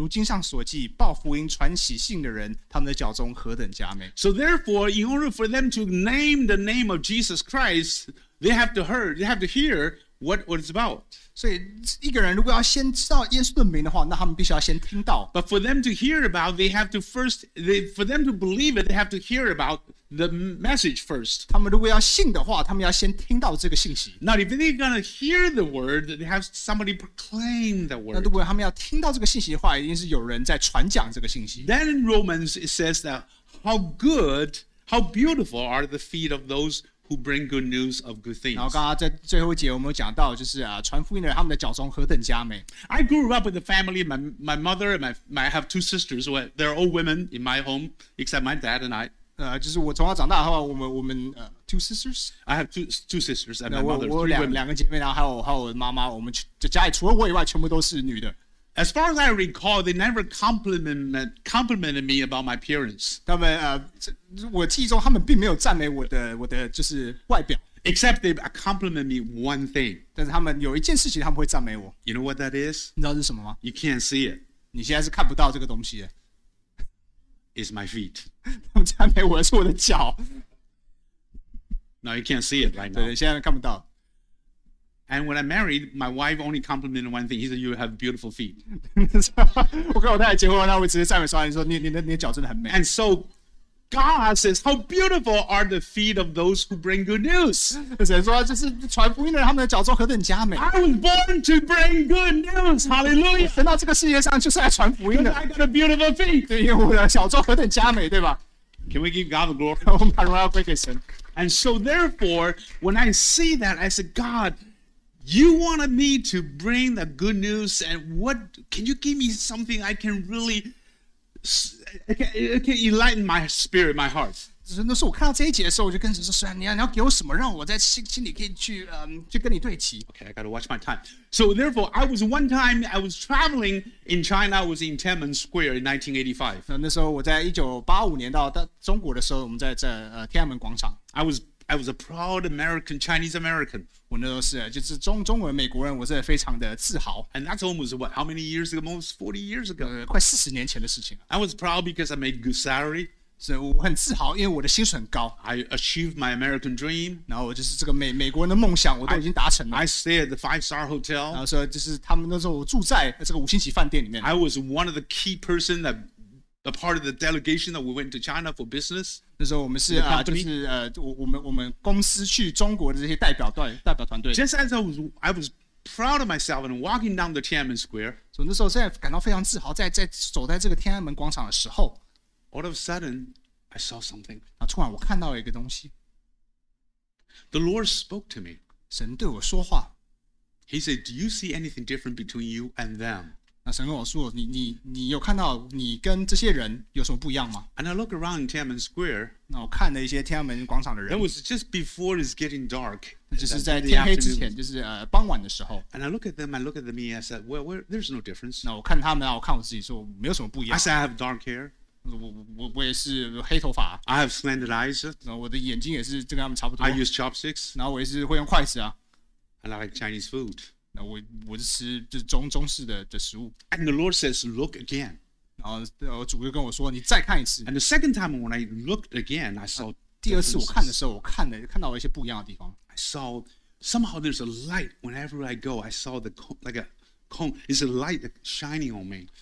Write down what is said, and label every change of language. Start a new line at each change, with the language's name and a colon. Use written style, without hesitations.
Chinese: 如经上所记，报福音、传喜信的人，他们的脚中何等佳美！
English: So therefore, in order for them to name the name of Jesus Christ, they have to hear, what it's about.
Chinese: 所以一个人如果要先知道耶稣的名的话，那他们必须要先听到。
English: But for them to hear about, they have to first. For them to believe it, they have to hear about the message first.
Chinese: 他们如果要信的话，他们要先听到这个信息。
English: Now, if they're gonna hear the word, they have somebody proclaim the word.
Chinese: 那如果他们要听到这个信息的话，一定是有人在传讲这个信息。
English: Then in Romans it says that how good, how beautiful are the feet of those. Who bring good news of good things.
Chinese: 然后刚刚在最后一节我们有讲到就是、传福音的人他们的脚中何等佳美。
English: I grew up with a family, my mother and I have two sisters, they're all women in my home, except my dad and I.
Chinese: 就是我从小长大的话我们、
English: two sisters? I have two sisters and my mother,
Chinese: 我两个姐妹然后还有我的妈妈我们家里除了我以外全部都是女的。
English: As far as I recall, they never complimented me about my appearance.
Chinese: 他们我记忆中他们并没有赞美我的就是外表。
English: Except they complimented me one thing.
Chinese: 但是他们有一件事情他们会赞美我。
English: You know what that is?
Chinese: 你知道是什么吗
English: ？You can't see it.
Chinese: 你现在是看不到这个东西的。
English: It's my feet.
Chinese: 他们赞美我是我的脚。
English: No, you can't see it right now.
Chinese: 对，现在看不到。
English: And when I married, my wife only complimented one thing. He said, "You have beautiful feet."
Chinese: 我跟我太太结婚，然后我只是赞美说，你说你的脚真的很美。
English: And so God says, "How beautiful are the feet of those who bring good news."
Chinese: 神说，就是传福音的人，他们的脚中何等佳美。
English: I was born to bring good news. Hallelujah!
Chinese: 生到这个世界上就是来传福音的。
English: I got a beautiful feet.
Chinese: 对，因为我的脚中何等佳美，对吧
English: ？Can we give God the glory?
Chinese: 我们把荣耀归给神。
English: And so therefore, when I see that, I said, God. You wanted me to bring the good news, and what can you give me something I can really I can enlighten my spirit, my heart?
Chinese: 那时候我看到这一节的时候，我就跟神说：“神，你要给我什么，让我在心里可以去跟你对齐。”
English: Okay, I gotta watch my time. So therefore, I was traveling in China. I was in Tiananmen Square in 1985.
Chinese: 那时候我在1985年到中国的时候，我们在天安门广场。
English: I was a proud American, Chinese American.
Chinese: 我那时候是就是中文美国人，我是非常的自豪。
English: And that's almost what? How many years ago? Almost 40 years ago.
Chinese: 快四十年前的事情。
English: I was proud because I made good salary.
Chinese: 所以我很自豪，因为我的薪水很高。
English: I achieved my American dream.
Chinese: 然后我就是这个美国人的梦想，我都已经达成了。
English: I stayed at the 5-star hotel.
Chinese: 然后说就是他们那时候我住在这个五星级饭店里面。
English: I was one of the key person that. A part of the delegation that we went to China for business.
Chinese: 那时候我们是啊，就是我们公司去中国的这些代表团队。
English: Just as I was proud of myself and walking down the Tiananmen Square.
Chinese: 所以那时候现在感到非常自豪，在走在这个天安门广场的时候
English: ，All of a sudden, I saw something.
Chinese: 啊，突然我看到一个东西。
English: The Lord spoke to me.
Chinese: 神对我说话。
English: He said, "Do you see anything different between you and them?"
Chinese: 那神跟我说你有看到你跟这些人有什么不一样吗
English: And I look around Tiananmen Square
Chinese: 那我看了一些天安门广场的人
English: That was just before it's getting dark
Chinese: 就是在天黑之前就是傍晚的时候
English: And I look at them, I look at me, I said, well, there's no difference
Chinese: 那我看他们我看我自己说没有什么不一样
English: I said, I have dark hair
Chinese: 我也是黑头发
English: I have slanted eyes
Chinese: 然后我的眼睛也是跟他们差不多
English: I use chopsticks
Chinese: 然后我也是会用筷子啊
English: I like Chinese food
Chinese: 那我是吃就是中式的食物。
English: And the Lord says, "Look again."
Chinese: 然后主就跟我说，你再看一次。
English: And the second time when I looked again, I saw.
Chinese: 第二次我看的时候，我看到了一些不一样的地方。
English: I saw somehow there's a light whenever I go. I saw the cone, like a cone. It's a light shining on me.